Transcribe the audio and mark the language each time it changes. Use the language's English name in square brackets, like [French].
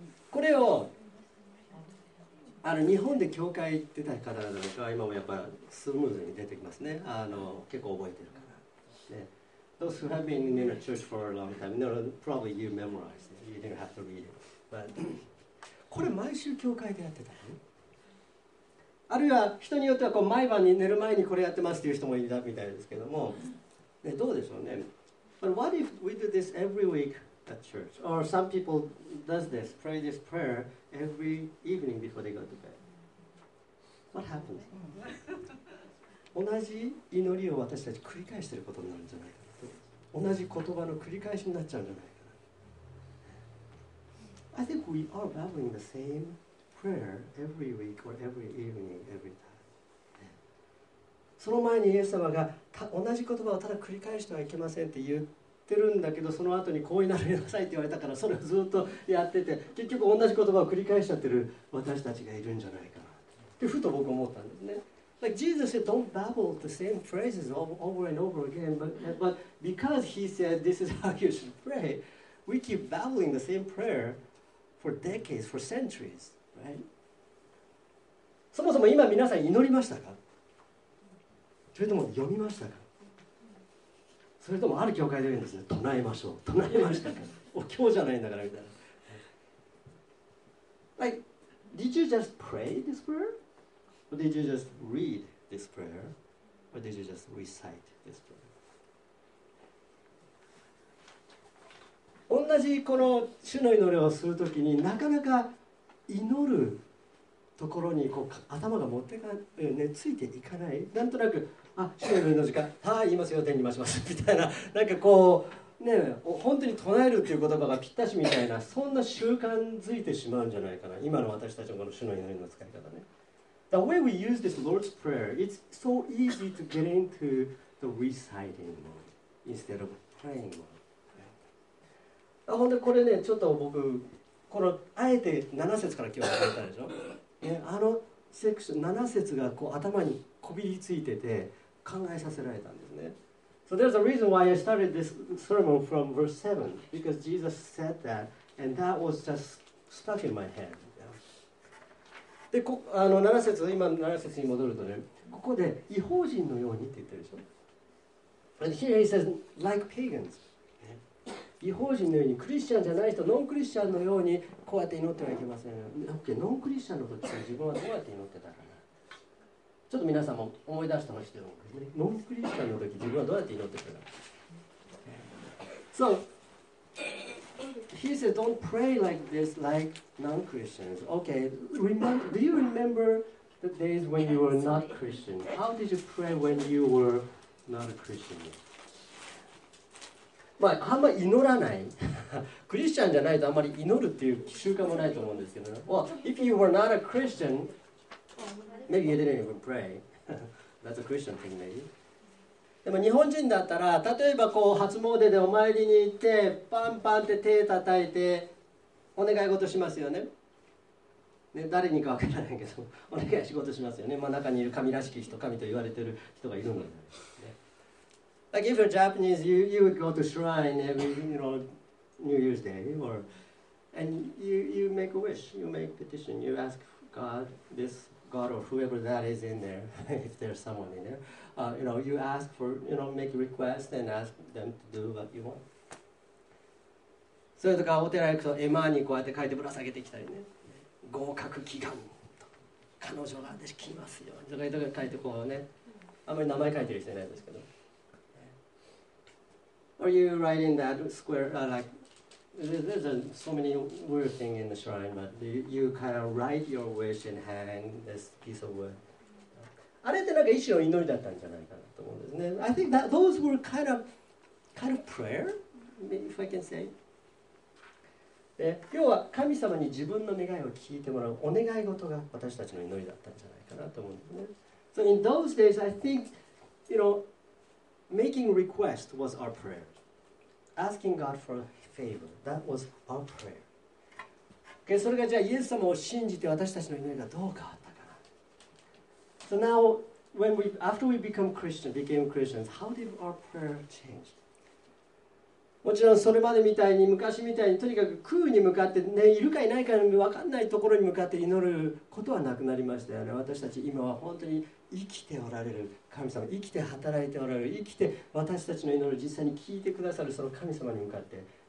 [Japanese] これを日本で教会行ってた方々の人は今もやっぱスムーズに出てきますね。結構覚えてるから。 [English] Those who have been in a church for a long time, no, probably you memorized it. You didn't have to read it. [Japanese] But, これ毎週教会でやってたの？あるいは人によってはこう毎晩に寝る前にこれやってますっていう人もいたみたいですけども、ね、どうでしょうね。 [English] But what if we do this every week? At church, or some people does this, pray this prayer every evening before they go to bed. What happens? [Japanese] 同じ祈りを私たち繰り返していることになるんじゃないかな。同じ言葉の繰り返しになっちゃうんじゃないかな。 [English] I think we are babbling the same prayer every week or every evening, every time. [Japanese] その前にイエス様が同じ言葉をただ繰り返してはいけませんって言う。てるんだけど、その後にこう祈りなさいって言われたから、それをずっとやってて、結局同じ言葉を繰り返しちゃってる私たちがいるんじゃないかなってふと僕思ったんですね。 [English] Like Jesus said, don't babble the same phrases over and over again, but because he said this is how you should pray, we keep babbling the same prayer for decades, for centuries, right? [Japanese] そもそも今皆さん祈りましたか？それとも読みましたか？それともある教会で言うんですね、唱えましょう、唱えましたか、お経じゃないんだからみたいな。 [English] Like, did you just pray this prayer? Or did you just read this prayer? Or did you just recite this prayer? [Japanese] 同じこの主の祈りをするときに、なかなか祈るところにこう頭が持ってか、ね、ついていかない、なんとなく、主の祈りの時間、はい、言いますよ、天にまします、みたいな、なんかこう、ね、本当に唱えるっていう言葉がぴったしみたいな、そんな習慣づいてしまうんじゃないかな、今の私たちのこの主の祈りの使い方ね。 [English] The way we use this Lord's Prayer, it's so easy to get into the reciting mode instead of praying mode.、 Right? [Japanese] あ、ほんでこれね、ちょっと僕、このあえて7節から今日始めたでしょ。ね、あのセクション、7節がこう頭にこびりついてて考えさせられたんですね。 [English] So there's a reason why I started this sermon from verse 7, because Jesus said that, and that was just stuck in my head. [Japanese] で、こあの7節、今7節に戻るとね、ここで異邦人のようにって言ってるでしょ。 [English] And here he says, like pagans. [Japanese] 異邦人のように、クリスチャンじゃない人、ノンクリスチャンのようにこうやって祈ってはいけません。 OK、ノンクリスチャンの時、自分はどうやって祈ってたかな。ちょっと皆さんも思い出してほしいと思うんですね。ノンクリスチャンの時、自分はどうやって祈ってたか。 [English] So,He said, don't pray like this, like non-Christians. Okay, do you remember the days when you were not Christian? How did you pray when you were not a Christian? [Japanese] まあ、あんまり祈らない。クリスチャンじゃないとあんまり祈るっていう習慣もないと思うんですけどね。 [English] Well, if you were not a Christian, maybe you didn't even pray. That's a Christian thing, maybe. [Japanese] でも日本人だったら、例えばこう初詣でお参りに行って、パンパンって手叩いてお願い事しますよね。ね、誰にかわからないけど、お願い仕事しますよね。まあ、中にいる神らしき人、神と言われている人がいるのでね。 [English] Like if you're Japanese, you would go to shrine every, you know, New Year's Day, or and you make a wish, you make a petition, you ask God this. God or whoever that is in there, if there's someone in there, you know, you ask for, you know, make a request and ask them to do what you want. [Japanese] So, とかお寺行くと絵馬にこうやって書いてぶら下げてきたりね、合格祈願と彼女が私来ますよとかいうとか書いてこうね、あんまり名前書いてる人いないですけど。 [English] Or you write in that square, There's so many weird things in the shrine, but you kind of write your wish and hang this piece of wood. [Japanese] あれってなんか一種の祈りだったんじゃないかなと思うんですね。 [English] I think that those were kind of prayer, if I can say. [Japanese] で、要は神様に自分の願いを聞いてもらうお願い事が私たちの祈りだったんじゃないかなと思うんですね。 [English] So in those days, I think, you know, making request was our prayer. Asking God for favor. That was our prayer. [Japanese] Okay, それがじゃあイエス様を信じて私たちの祈りがどう変わったかな。 [English] So now, when we after we became Christians, how did our prayer change? [Japanese] もちろんそれまでみたいに昔みたいにとにかく空に向かってねいるかいないか分かんないところに向かって祈ることはなくなりましたよね。私たち今は本当に生きておられる神様、生きて働いておられる、生きて私たちの祈りを実際に聞いてくださるその神様に向かって。